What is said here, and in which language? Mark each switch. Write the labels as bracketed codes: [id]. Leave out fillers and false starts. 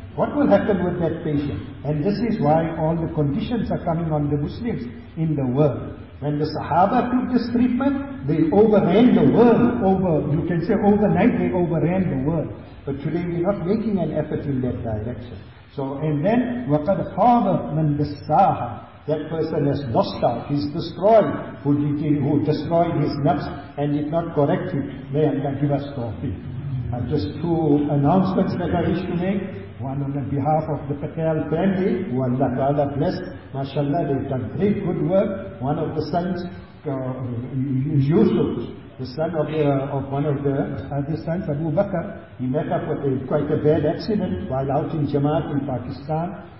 [en] What will happen with that patient? And this is why all the conditions are coming on the Muslims in the world. When the Sahaba took this treatment, they overran the world over, you can say overnight they overran the world. But today we're not making an effort in that direction. So, and then, [ar] وَقَدْ خَابَ مَنْ دَسَّاهَا. [en] That person has lost out, he's destroyed, who destroyed his nafs and did not correct it. May Allah give us tawfiq. Just two announcements that I wish to make. One on the behalf of the Patel family, who Allah Ta'ala blessed. MashaAllah, they've done great good work. One of the sons, Yusuf, the son of one of the other sons, Abu Bakr, he met up with quite a bad accident while out in Jamaat in Pakistan.